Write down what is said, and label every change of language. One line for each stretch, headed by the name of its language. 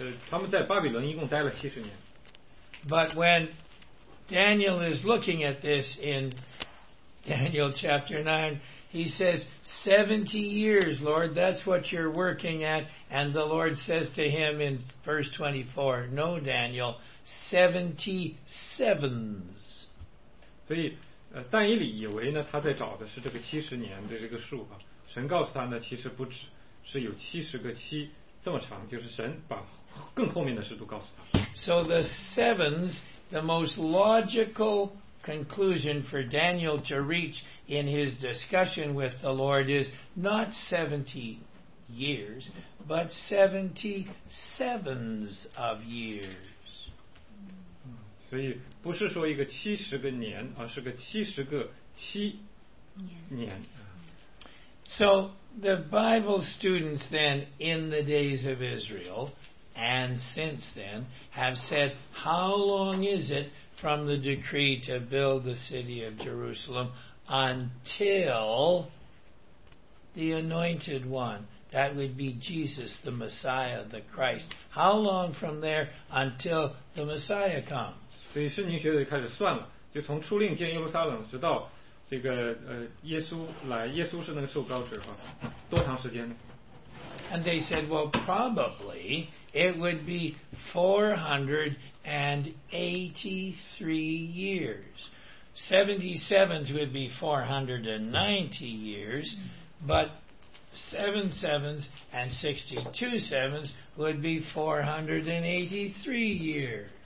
Chinese: 他们在巴比伦一共待了七十年。
English: But when Daniel is looking at this in Daniel chapter 9, he says, 70 years, Lord, that's what you're working at. And the Lord says to him in verse 24, no, Daniel, 70 sevens.
Chinese: 所以但以理以为呢，他在找的是这个七十年的这个数啊。神告诉他呢，其实不止，是有七十个七这么长，就是神把更后面的事都告诉他。
English: So the sevens, the most logical conclusion for Daniel to reach in his discussion with the Lord is not 70 years, but 70 sevens of years.
Chinese: 所以不是说一个七十个年，而是个七十个七年。
English: So the Bible students then in the days of Israel and since then have said, how long is it from the decree to build the city of Jerusalem until the anointed one, that would be Jesus, the Messiah, the Christ, how long from there until the Messiah comes?
Chinese: 所以圣经学者就开始算了，就从出令建耶路撒冷直到这个耶稣来，耶稣是那个受膏者啊，多长时间呢？
English: And they said, well, probably it would be 483 years. 77s would be 490 years, but 7 sevens and 62 sevens would be 483 years.